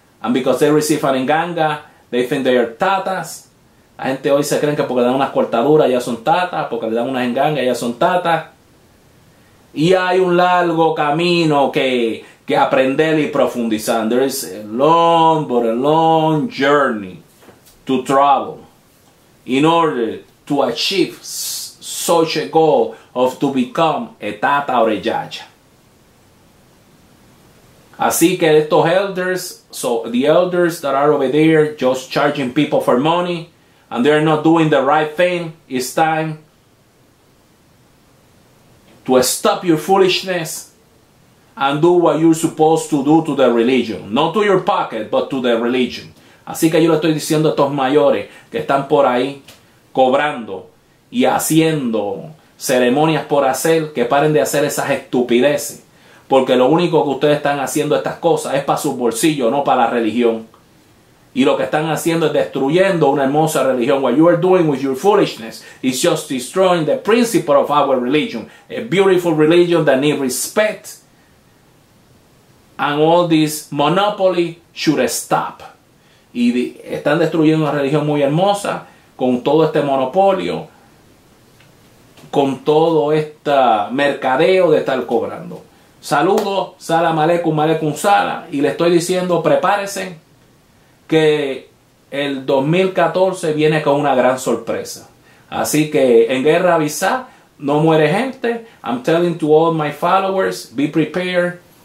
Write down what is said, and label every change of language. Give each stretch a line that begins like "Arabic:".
English: And because they receive an enganga, they think they are tatas.
Spanish: La gente hoy se cree que porque le dan unas cortaduras ya son tatas, porque le dan unas engangas ya son tatas. Y hay un largo camino que aprender y profundizar.
English: There is a long, but a long journey to travel in order to achieve such a goal of to become a tata or a yaya.
Spanish: Así que estos
English: elders, so the elders that are over there just charging people for money and they're not doing the right thing, it's time to stop your foolishness and do what you're supposed to do to the religion. Not to your pocket, but to the religion.
Spanish: Así que yo le estoy diciendo a estos mayores que están por ahí cobrando y haciendo ceremonias por hacer, que paren de hacer esas estupideces. Porque lo único que ustedes están haciendo estas cosas es para sus bolsillos, no para la religión. Y lo que están haciendo es destruyendo una hermosa religión.
English: What you are doing with your foolishness is just destroying the principle of our religion. A beautiful religion that needs respect. And all this monopoly should stop.
Spanish: Y están destruyendo una religión muy hermosa con todo este monopolio, con todo este mercadeo de estar cobrando. Saludos, salam aleikum, aleikum salam. Y le estoy diciendo, prepárense, que el 2014 viene con una gran sorpresa. Así que en guerra avisa, no muere gente.
English: I'm telling to all my followers, be prepared.